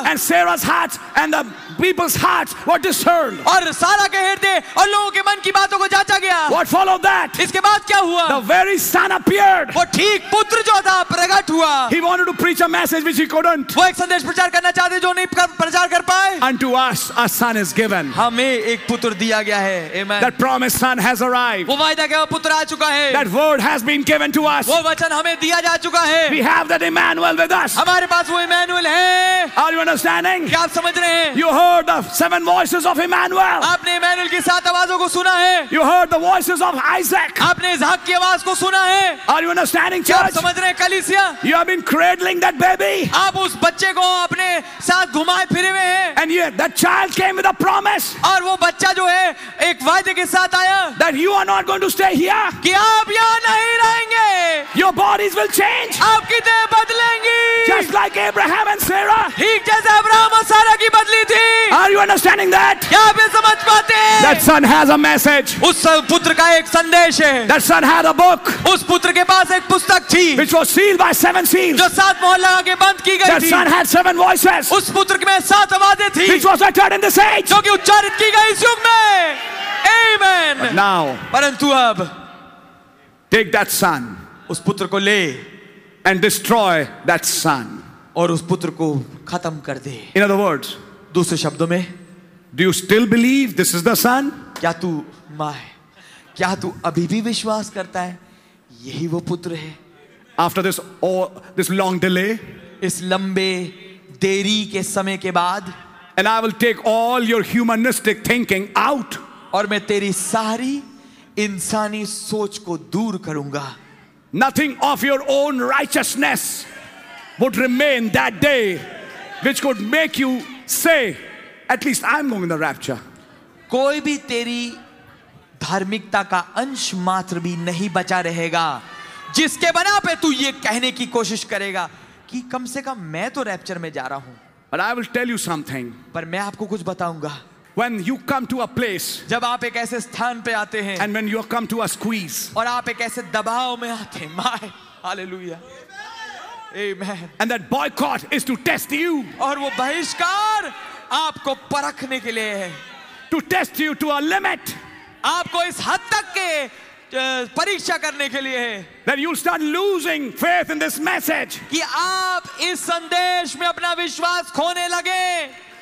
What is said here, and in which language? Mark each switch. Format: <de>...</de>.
<en>And Sarah's heart and the people's hearts were discerned.</en> <hi>और सारा के हृदय और लोगों के मन की बातों को जांचा गया.</hi> <en>What followed that?</en> <hi>इसके बाद क्या हुआ?</hi> <en>The very son appeared.</en> <hi>वो ठीक पुत्र जो था प्रकट हुआ.</hi> <en>He wanted to preach a message which he couldn't.</en> <hi>वो एक संदेश प्रचार करना चाहते जो नहीं प्रचार कर पाए.</hi> <en>Unto us a son is given.</en> <hi>हमें एक पुत्र दिया गया है.</hi> <en>Amen. That promised son has arrived.</en> <hi>वो वायदा का पुत्र आ चुका है.</hi> <en>That word has been given to us.</en> <hi>वो वचन हमें दिया जा चुका है.</hi> <en>We have that Emmanuel with us.</en> <hi>हमारे पास वो Emmanuel है.</hi> <en>Are you understanding?</en> <hi>क्या आप समझ रहे हैं?</hi> <en>You heard the seven voices of Emmanuel.</en> <hi>आपने इमैनुअल की सात आवाजों को सुना है.</hi> <en>You heard the voices of Isaac.</en> <hi>आपने इसहाक की आवाज को सुना है.</hi> <en>Are you understanding, church?</en> <hi>आप समझ रहे हैं कलीसिया?</hi> <en>You have been cradling that baby.</en> <hi>आप उस बच्चे को अपने साथ घुमाए फिरे हुए हैं.</hi> <en>And yet that child came with a promise.</en> <hi>और वो बच्चा जो है एक वायदे के साथ आया.</hi> <en>That you are not going to stay here.</en> <hi>कि आप यहाँ नहीं रहेंगे.</hi> <en>Your bodies will change.</en> <hi>आपकी देह बदलेंगी</hi> <en>just like Abraham and Sarah</en> <hi>ठीक जैसे अब्राहम और सारा की बदली थी</hi> <en>are you understanding that</en> <hi>क्या आप समझ पाते हैं</hi> <en>that son has a message</en> <hi>उस पुत्र का एक संदेश है</hi> <en>that son had a book</en> <hi>उस पुत्र के पास एक पुस्तक थी</hi> <en>which was sealed by seven seals</en> <hi>जो सात मोहर लगा के बंद की गई थी</hi> <en>that son had seven voices</en> <hi>उस पुत्र के में सात आवाजें थी</hi> <en>which was uttered in this age</en> <hi>जो कि उच्चारित की गई इस युग में amen</hi> <en>but now</en> <hi>परंतु अब</hi> <en>take that son</en> <hi>उस पुत्र को ले</hi> <en>and destroy that son</en> <hi>और उस पुत्र को खत्म कर दे</hi> <en>in other words</en> <hi>दूसरे शब्दों में</hi> <en>do you still believe this is the son</en> <hi>क्या तू मां है क्या तू अभी भी विश्वास करता है यही वो पुत्र है</hi> <en>after this all this long delay</en> <hi>इस लंबे देरी के समय के बाद</hi> <en>and I will take all your humanistic thinking out</en> <hi>और मैं तेरी सारी इंसानी सोच को दूर करूंगा</hi> <en>Nothing of your own righteousness would remain that day, which could make you say, "At least I'm going in the rapture."</en> <hi>कोई भी तेरी धार्मिकता का अंश मात्र भी नहीं बचा रहेगा, जिसके बना पे तू ये कहने की कोशिश करेगा कि कम से कम मैं तो रैप्चर में जा रहा हूँ।</hi> <en>But I will tell you something.</en> <hi>पर मैं आपको कुछ बताऊँगा।</hi> <en>When you come to a place,</en> <hi>जब आप एक ऐसे स्थान पे आते हैं,</hi> <en>and when you have come to a squeeze,</en> <hi>और आप एक ऐसे दबाव में आते हैं,</hi> <en>my, hallelujah, amen, and that boycott is to test you,</en> <hi>और वो बहिष्कार आपको परखने के लिए है,</hi> <en>to test you to a limit,</en> <hi>आपको इस हद तक के परीक्षा करने के लिए है,</hi> <en>that you start losing faith in this message,</en> <hi>कि आप इस संदेश में अपना विश्वास खोने लगे.</hi>